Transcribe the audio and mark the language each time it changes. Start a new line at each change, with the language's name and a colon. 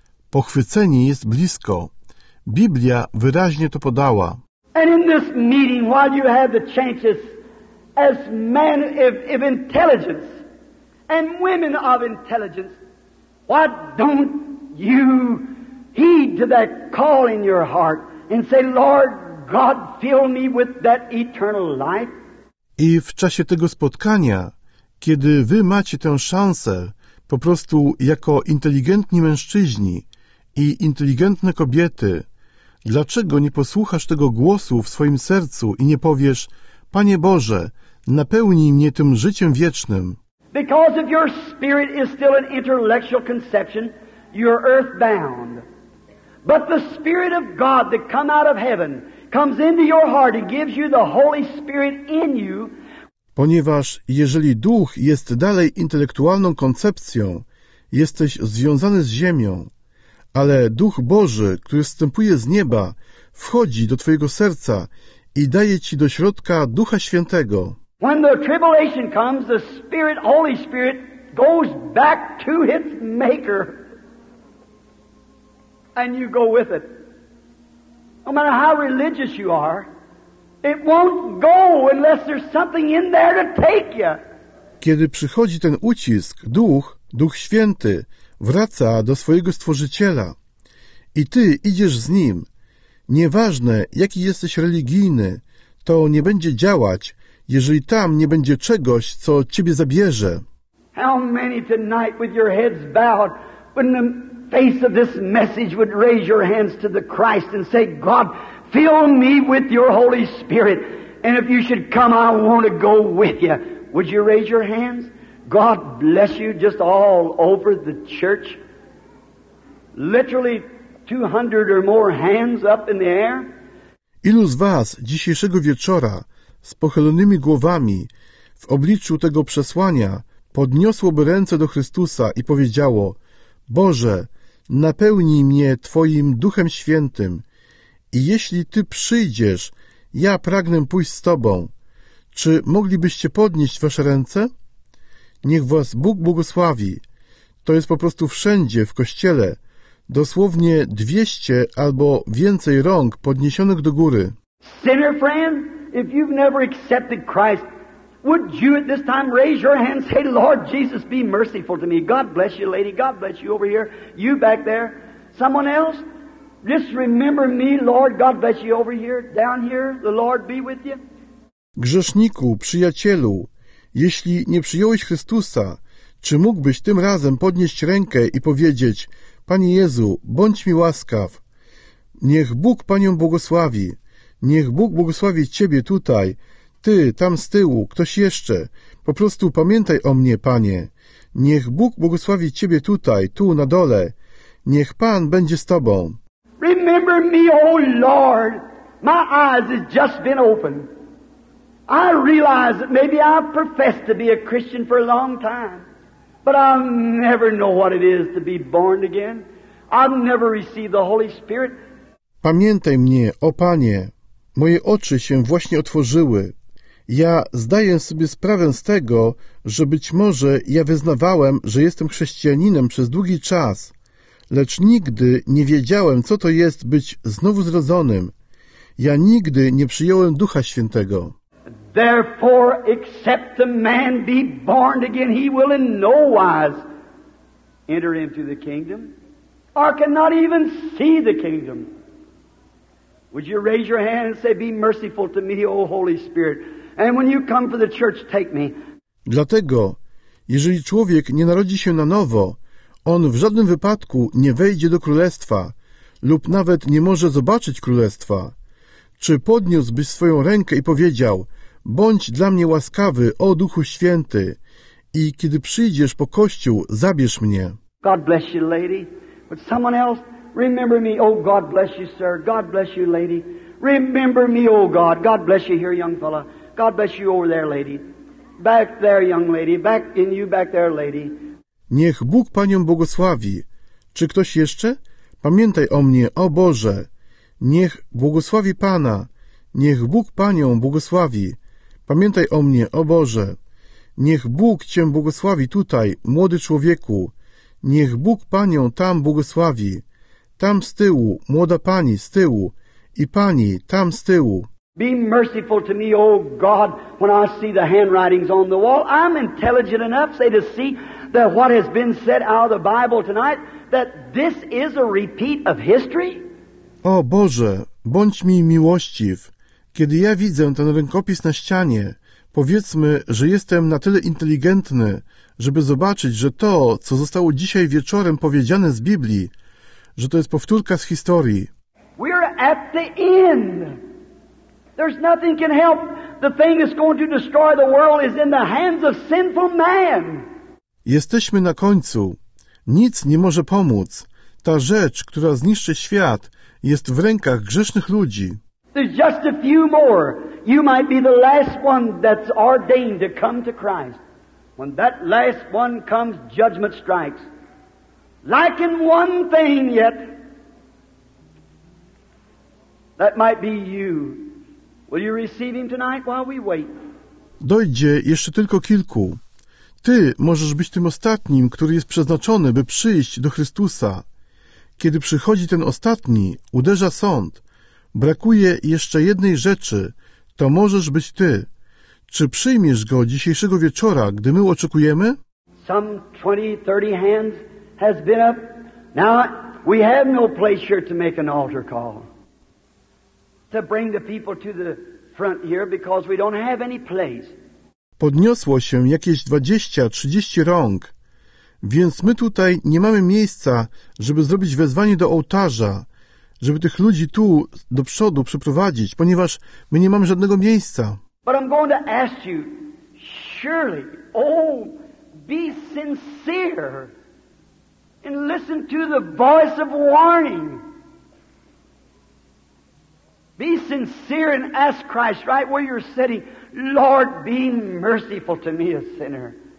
Polish: Pochwycenie jest blisko. Biblia wyraźnie to podała.
English: And in this meeting, while you have the chances, as men of intelligence, and women of intelligence, why don't you heed to that call in your heart and say, Lord God, fill me with that eternal life.
Polish: I w czasie tego spotkania, kiedy wy macie tę szansę, po prostu jako inteligentni mężczyźni i inteligentne kobiety, dlaczego nie posłuchasz tego głosu w swoim sercu i nie powiesz, Panie Boże, napełnij mnie tym życiem wiecznym?
English: Because if your spirit is still an intellectual conception, you're earthbound. But the Spirit of God that come out of heaven comes into your heart and gives you the Holy Spirit in you.
Polish: Ponieważ jeżeli duch jest dalej intelektualną koncepcją, jesteś związany z ziemią, ale Duch Boży, który wstępuje z nieba, wchodzi do twojego serca i daje ci do środka Ducha Świętego.
English: When the tribulation comes, the Spirit, Holy Spirit, goes back to its maker. And you go with it. No matter how religious you are, it won't go unless there's something in there to take you.
Polish: Kiedy przychodzi ten ucisk, Duch Święty, wraca do swojego Stworzyciela. I ty idziesz z Nim. Nieważne, jaki jesteś religijny, to nie będzie działać, jeżeli tam nie będzie czegoś, co ciebie zabierze.
English: How many tonight with your heads bowed when the face of this message would raise your hands to the Christ and say, God, fill me with your Holy Spirit. And if you should come, I want to go with you. Would you raise your hands? God bless you just all over the church. Literally 200 or more hands up in the air.
Polish: Ilu z was dzisiejszego wieczora z pochylonymi głowami w obliczu tego przesłania podniosłoby ręce do Chrystusa i powiedziało, Boże, napełnij mnie Twoim Duchem Świętym i jeśli Ty przyjdziesz, ja pragnę pójść z Tobą. Czy moglibyście podnieść Wasze ręce? Niech Was Bóg błogosławi. To jest po prostu wszędzie w kościele. Dosłownie 200 albo więcej rąk podniesionych do góry.
English: Sinner friend, if you've never accepted Christ, would you at this time raise your hand and say, Lord Jesus, be merciful to me. God bless you, lady. God bless you over here. You back there. Someone else? Just remember me, Lord. God bless you over here. Down here, the Lord be with you.
Polish: Grzeszniku, przyjacielu, jeśli nie przyjąłeś Chrystusa, czy mógłbyś tym razem podnieść rękę i powiedzieć, Panie Jezu, bądź mi łaskaw. Niech Bóg Panią błogosławi. Niech Bóg błogosławi Ciebie tutaj, Ty, tam z tyłu, ktoś jeszcze. Po prostu pamiętaj o mnie, Panie. Niech Bóg błogosławi Ciebie tutaj, tu, na dole. Niech Pan będzie z Tobą.
English: Remember me, O Lord. My eyes have just been opened. I realize that maybe I've professed to be a Christian for a long time. But I'll never know what it is to be born again. I'll never receive the Holy Spirit.
Polish: Pamiętaj mnie, o Panie. Moje oczy się właśnie otworzyły. Ja zdaję sobie sprawę z tego, że być może ja wyznawałem, że jestem chrześcijaninem przez długi czas, lecz nigdy nie wiedziałem, co to jest być znowu zrodzonym. Ja nigdy nie przyjąłem Ducha Świętego.
English: Therefore, except the man be born again, he will in no wise enter into the kingdom, or cannot even see the kingdom. Would you raise your hand and say, be merciful to me, O Holy Spirit, and when you come for the church, take me.
Polish: Dlatego, jeżeli człowiek nie narodzi się na nowo, on w żadnym wypadku nie wejdzie do królestwa lub nawet nie może zobaczyć królestwa. Czy podniósłbyś swoją rękę i powiedział, bądź dla mnie łaskawy, o Duchu Święty, i kiedy przyjdziesz po kościół, zabierz mnie.
English: God bless you, lady. But someone else, remember me, oh God bless you, sir. God bless you, lady. Remember me, oh God. God bless you here, young fella. God bless you over there, lady. Back there, young lady. Back in you, back there, lady.
Polish: Niech Bóg Panią błogosławi. Czy ktoś jeszcze? Pamiętaj o mnie, o Boże. Niech błogosławi Pana. Niech Bóg Panią błogosławi. Pamiętaj o mnie, o Boże. Niech Bóg Cię błogosławi tutaj, młody człowieku. Niech Bóg Panią tam błogosławi. Tam z tyłu, młoda Pani z tyłu i Pani tam z tyłu.
English: Be merciful to me, O God, when I see the handwritings on the wall. I'm intelligent enough, say, to see that what has been said out of the Bible tonight, that this is a repeat of history?
Polish: O Boże, bądź mi miłościw. Kiedy ja widzę ten rękopis na ścianie, powiedzmy, że jestem na tyle inteligentny, żeby zobaczyć, że to, co zostało dzisiaj wieczorem powiedziane z Biblii, że to jest powtórka z historii.
English: We're at the end. There's nothing can help. The thing that's going to destroy the world is in the hands of sinful man.
Polish: Jesteśmy na końcu. Nic nie może pomóc. Ta rzecz, która zniszczy świat, jest w rękach grzesznych ludzi.
English: There's just a few more. You might be the last one that's ordained to come to Christ. When that last one comes, judgment strikes. Lacking one thing yet, that might be you. Will you receive him tonight while we wait?
Polish: Dojdzie jeszcze tylko kilku. Ty możesz być tym ostatnim, który jest przeznaczony, by przyjść do Chrystusa. Kiedy przychodzi ten ostatni, uderza sąd. Brakuje jeszcze jednej rzeczy. To możesz być ty. Czy przyjmiesz go dzisiejszego wieczora, gdy my oczekujemy?
English: Some 20-30 hands has been up. Now we have no place here to make an altar call. To bring the people to the front here because we don't have any place.
Polish: Podniosło się jakieś 20-30 rąk. Więc my tutaj nie mamy miejsca, żeby zrobić wezwanie do ołtarza, żeby tych ludzi tu do przodu przeprowadzić, ponieważ my nie mamy żadnego miejsca.
English: But I'm going to ask you, surely, oh, be sincere and listen to the voice of warning. Be sincere and ask Christ right where you're sitting, Lord, be merciful to me, a sinner.